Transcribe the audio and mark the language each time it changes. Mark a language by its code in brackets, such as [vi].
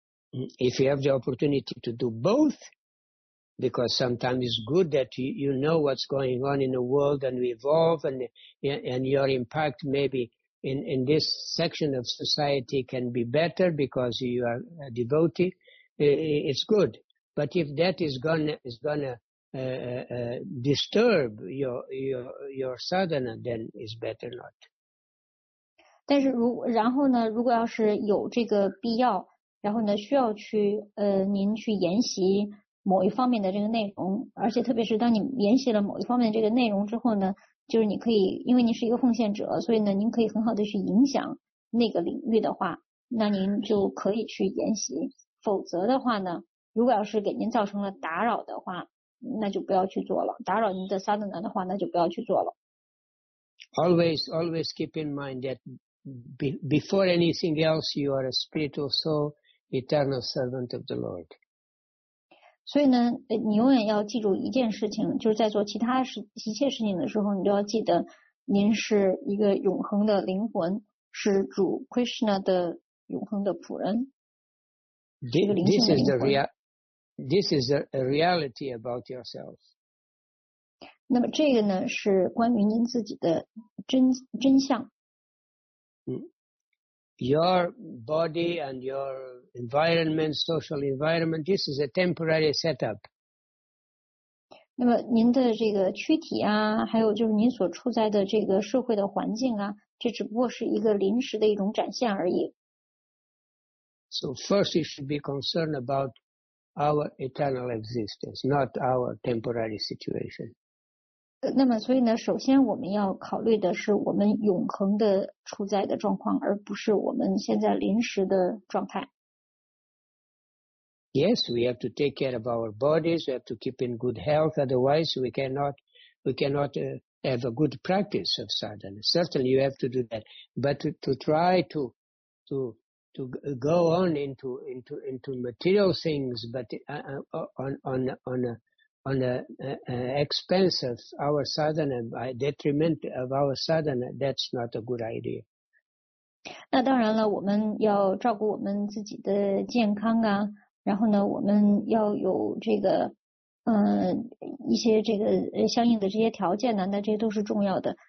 [en] If you have the opportunity to do both, because sometimes it's good that you know what's going on in the world and you evolve and your impact maybe in this section of society can be better because you are a devotee, it's good. But if that is gonna disturb your sadhana, then it's better not. [zh] 但是然后呢，如果要是有这个必要，然后呢需要去您去研习某一方面的这个内容，而且特别是当你研习了某一方面的这个内容之后呢，就是你可以，因为您是一个奉献者，所以呢您可以很好的去影响那个领域的话，那您就可以去研习。否则的话呢，如果要是给您造成了打扰的话，那就不要去做了。打扰您的 sadhana 的话，那就不要去做了。 [en] Always keep in mind that before anything else, you are a spiritual soul, eternal servant of the Lord. [zh] 所以呢，你永远要记住一件事情，就是在做其他一切事情的时候，你都要记得，您是一个永恒的灵魂，是主 Krishna 的永恒的仆人，这个灵性的灵魂。 [en] This is a reality about yourself. [zh] 那么这个呢是关于您自己的真相。 [en] Your body and your environment, social environment, this is a temporary setup. [zh] 那么您的这个躯体啊，还有就是您所处在的这个社会的环境啊，这只不过是一个临时的一种展现而已。 [en] So first you should be concerned about our eternal existence, not our temporary situation. [zh] 那么所以呢，首先我们要考虑的是我们永恒的处在的状况，而不是我们现在临时的状态。 [en] Yes, we have to take care of our bodies, we have to keep in good health, otherwise we cannot have a good practice of sadhana. Certainly you have to do that, but to try to go on into material things, but on expense of our sadhana, by detriment of our sadhana, that's not a good idea. [zh] 那当然了，我们要照顾我们自己的健康啊，然后呢，我们要有这个一些这个相应的这些条件呢，那这些都是重要的。